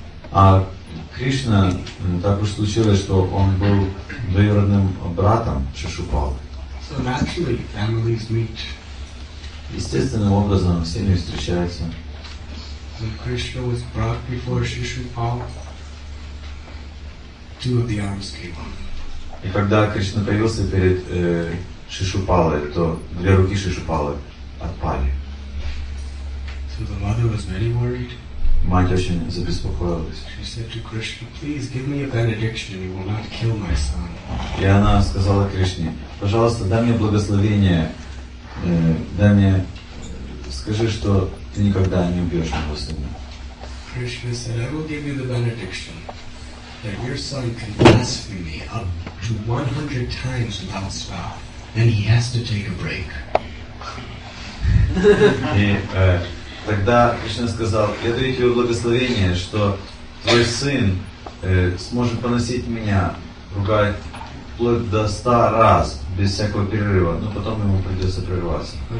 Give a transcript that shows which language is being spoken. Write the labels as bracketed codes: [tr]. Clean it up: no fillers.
[ru] А Кришна, так уж случилось, что он был двоюродным братом Шишупалы. [en] So naturally, families meet. [ru] естественным образом с ними встречается. [en] When Krishna was brought before Shishupal, two of the arms came up. [ru] И когда Кришна появился перед Шишупалой, то две руки Шишупалы отпали. [en] So the mother was very worried. [ru] Мать очень забеспокоилась. [en] She said to Krishna, "Please give me a benediction, and you will not kill my son." [ru] И она сказала Кришне, пожалуйста, дай мне благословение, дай мне, скажи, что ты никогда не убьешь моего сына. [en] Krishna said, "I will give you the benediction that your son can blaspheme up to 100 times without stop, and he has to take a break." [ru] Тогда Кришна сказал, я даю тебе благословение, что твой сын сможет поносить меня, ругать вплоть до 100 раз без всякого перерыва, но потом ему придется прерваться.